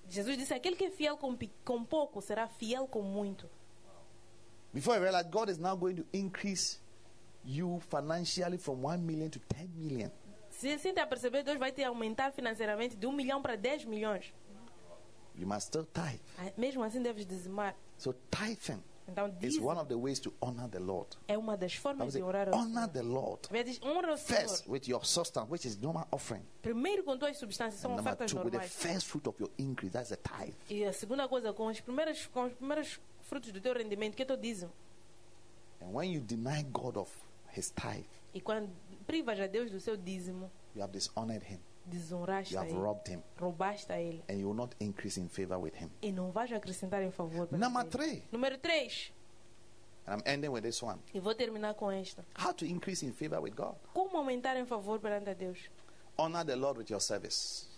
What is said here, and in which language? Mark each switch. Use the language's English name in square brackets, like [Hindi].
[Portuguese] Jesus disse, aquele que é fiel com pouco, será fiel com muito. [English] Before I realized, God is now going to increase you financially from 1,000,000 to 10,000,000. [Portuguese] Se você está percebendo, Deus vai te aumentar financeiramente de 1,000,000 para 10 milhões. [English] You must still tithe. [Portuguese] Mesmo assim, deves dizimar. [English] So tithing. It's one of the ways to honor the Lord. [Portuguese] É uma das formas de orar. [English] Honor the Lord. First with your substance, which is normal offering. [Portuguese] Primeiro com tuas substâncias, são ofertas normais. [English] Number two, with the first fruit of your increase, that's a tithe. [Portuguese] E a segunda coisa com os primeiros frutos do teu rendimento, que é teu dízimo. [English] And when you deny God of His tithe. [Portuguese] E quando privas a Deus do seu dízimo. [English] You have dishonored Him. [Portuguese] Desonraste. [English] You have [Portuguese] ele. [English] Robbed Him. [Portuguese] Roubaste a ele. [English] And you will not increase in favor with Him. [Portuguese] E não vais acrescentar em favor. Número 3. [English] And I'm ending with this one. [Portuguese] E vou terminar com esta. [English] How to increase in favor with God? [Portuguese] Como aumentar em favor perante a Deus? [English] Honor the Lord with your service.